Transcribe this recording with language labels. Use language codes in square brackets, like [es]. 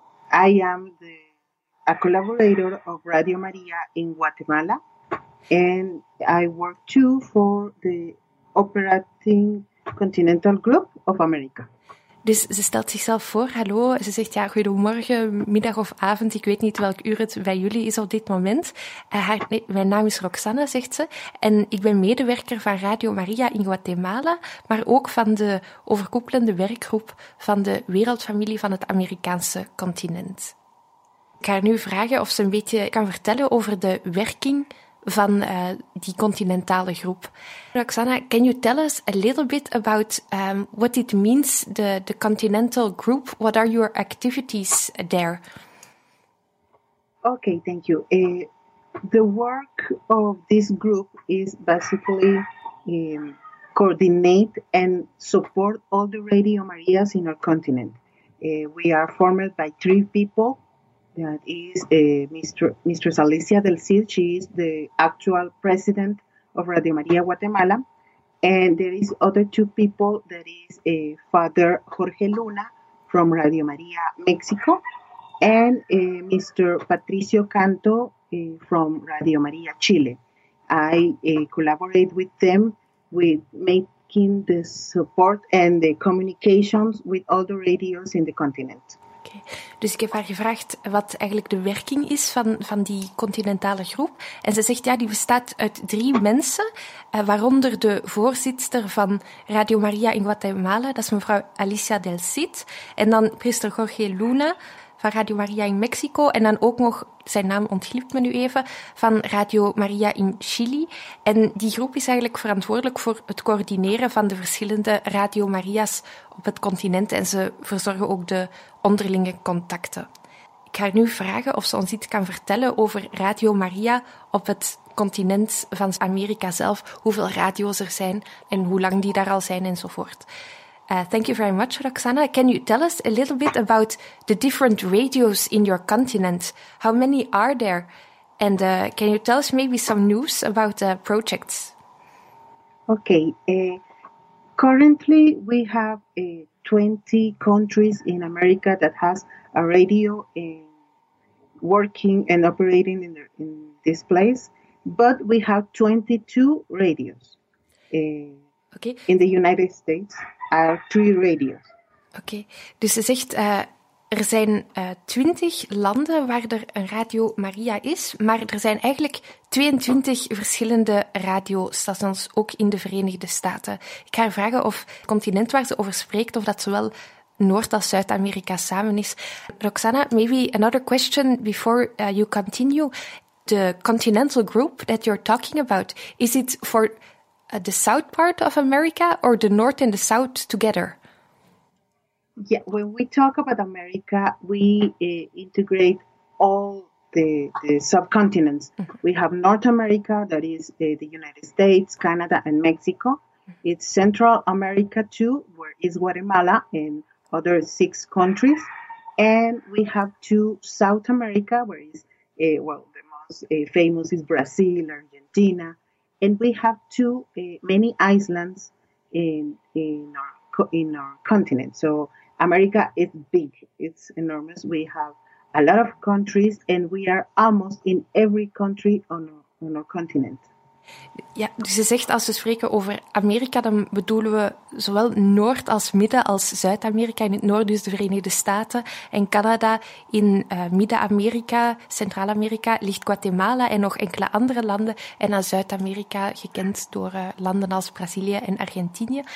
[en] I am a collaborator of Radio Maria in Guatemala, and I work too for the Operating Continental Group of America. [nl] Dus ze stelt zichzelf voor, hallo, ze zegt ja, goedemorgen, middag of avond, ik weet niet welk uur het bij jullie is op dit moment. Mijn naam is Roxana, zegt ze, en ik ben medewerker van Radio Maria in Guatemala, maar ook van de overkoepelende werkgroep van de wereldfamilie van het Amerikaanse continent. Ik ga haar nu vragen of ze een beetje kan vertellen over de werking van die continentale groep. [en] Roxana, can you tell us a little bit about what it means, the continental group? What are your activities there? Okay, thank you. The work of this group is basically coordinate and support all the Radio Marias in our continent. We are formed by three people. That is Mistress Alicia del Cid. She is the actual president of Radio Maria Guatemala. And there is other two people. That is Father Jorge Luna from Radio Maria Mexico and Mr. Patricio Canto from Radio Maria Chile. I collaborate with them with making the support and the communications with all the radios in the continent. [nl] Dus ik heb haar gevraagd wat eigenlijk de werking is van die continentale groep. En ze zegt, ja, die bestaat uit drie mensen, waaronder de voorzitter van Radio Maria in Guatemala, dat is mevrouw Alicia del Cid, en dan priester Jorge Luna van Radio Maria in Mexico, en dan ook nog, zijn naam ontgliep me nu even, van Radio Maria in Chili. En die groep is eigenlijk verantwoordelijk voor het coördineren van de verschillende Radio Maria's op het continent, en ze verzorgen ook de onderlinge contacten. Ik ga haar nu vragen of ze ons iets kan vertellen over Radio Maria op het continent van Amerika zelf, hoeveel radio's er zijn en hoe lang die daar al zijn enzovoort. [en] Thank you very much, Roxana. Can you tell us a little bit about the different radios in your continent? How many are there? And can you tell us maybe some news about the projects? Okay. Currently, we have 20 countries in America that has a radio working and operating in this place. But we have 22 radios okay. In the United States. Three radios. Okay. Dus ze zegt, er zijn 20 landen waar er een Radio Maria is, maar er zijn eigenlijk 22 verschillende radiostations, ook in de Verenigde Staten. Ik ga haar vragen of het continent waar ze over spreekt, of dat zowel Noord- als Zuid-Amerika samen is. Roxana, maybe another question before you continue. The continental group that you're talking about, is it for the south part of America or the north and the south together? Yeah, when we talk about America, we integrate all the subcontinents. Mm-hmm. We have North America, that is the United States, Canada, and Mexico. It's Central America too, where is Guatemala and other six countries. And we have two South America, where is, the most famous is Brazil, Argentina. And we have too many islands in our continent. So America is big. It's enormous. We have a lot of countries, and we are almost in every country on our continent. [nl] Ja, dus ze zegt, als we spreken over Amerika, dan bedoelen we zowel Noord- als Midden- als Zuid-Amerika. In het noorden dus de Verenigde Staten en Canada. In Midden-Amerika, Centraal-Amerika, ligt Guatemala en nog enkele andere landen. En aan Zuid-Amerika, gekend door landen als Brazilië en Argentinië.